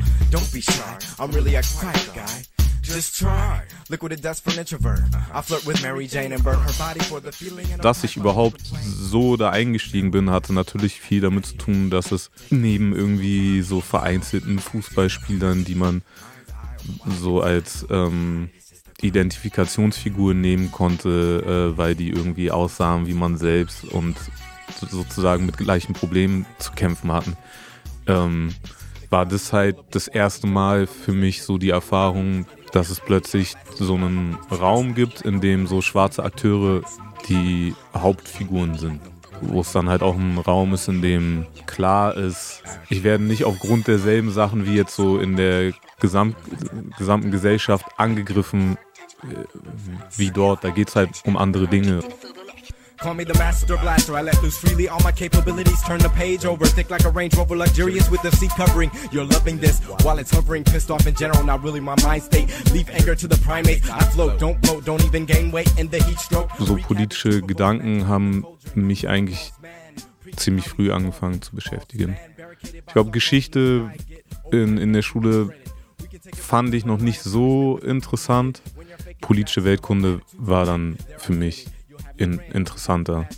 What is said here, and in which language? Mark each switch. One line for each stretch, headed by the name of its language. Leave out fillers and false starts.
English: Don't be shy, I'm really a quiet guy. Just try. Liquid dust for an introvert. I flirt with Mary Jane and burn her body for the feeling.
German: Dass ich überhaupt so da eingestiegen bin, hatte natürlich viel damit zu tun, dass es neben irgendwie so vereinzelten Fußballspielern, die man so als Identifikationsfigur nehmen konnte, weil die irgendwie aussahen wie man selbst und sozusagen mit gleichen Problemen zu kämpfen hatten, war das halt das erste Mal für mich so die Erfahrung, dass es plötzlich so einen Raum gibt, in dem so schwarze Akteure die Hauptfiguren sind. Wo es dann halt auch ein Raum ist, in dem klar ist, ich werde nicht aufgrund derselben Sachen wie jetzt so in der gesamten Gesellschaft angegriffen wie dort. Da geht es halt um andere Dinge.
English: Call me the master blaster, I let loose freely all my capabilities, turn the page over, thick like a Range Rover, luxurious with the seat covering, you're loving this, while it's hovering, pissed off in general, not really my mind state, leave anger to the primates, I float, don't float, don't even gain weight in the heat stroke.
German: So politische Gedanken haben mich eigentlich ziemlich früh angefangen zu beschäftigen. Ich glaube, Geschichte in der Schule fand ich noch nicht so interessant, politische Weltkunde war dann für mich interessanter.